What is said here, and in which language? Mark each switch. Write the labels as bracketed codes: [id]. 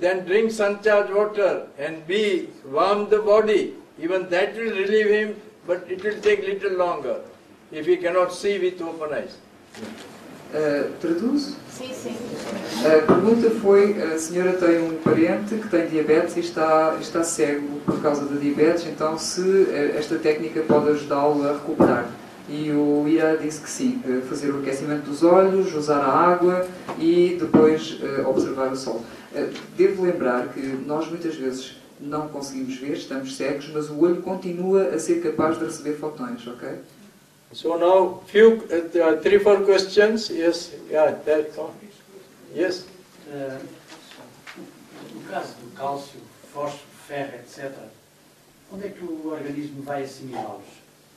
[en] Then drink sun-charged water and be warm the body. Even that will relieve him, but it will take little longer if he cannot see with open eyes. [pt] Traduz? Sim. A pergunta foi, a senhora tem um parente que tem diabetes e está cego por causa da diabetes, então se esta técnica pode ajudá-lo a recuperar. E o Ia disse que sim, fazer o aquecimento dos olhos, usar a água e depois observar o sol. Devo lembrar que nós muitas vezes não conseguimos ver, estamos cegos, mas o olho continua a ser capaz de receber fotões, ok? [en] So now, few, 3-4 questions, yes, yeah, that's all. Yes? [pt] No caso do cálcio, fósforo, ferro, etc., onde é que o organismo vai assimilá-los?